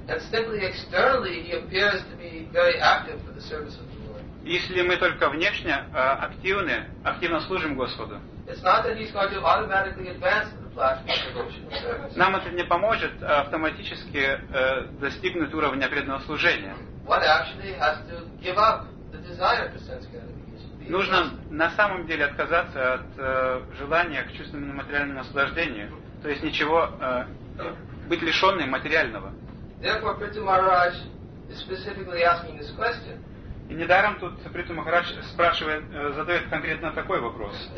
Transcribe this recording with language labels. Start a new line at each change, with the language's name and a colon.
English: and simply externally he appears to be very active for the service of the Lord.
Russian: Если мы только внешне активно служим Господу,
English: it's not that he's going to automatically advance to the platform of devotional service.
Russian: Нам это не поможет автоматически достигнуть уровня преданного служения.
English: One actually has to give up the desire for sense gratification.
Russian: Нужно на самом деле отказаться от желания к чувственному материальному наслаждению, то есть ничего быть лишенным материального.
English: Therefore, Prithu Maharaj is specifically asking this question.
Russian: И недаром тут Прита Махарадж спрашивает, задает конкретно такой вопрос.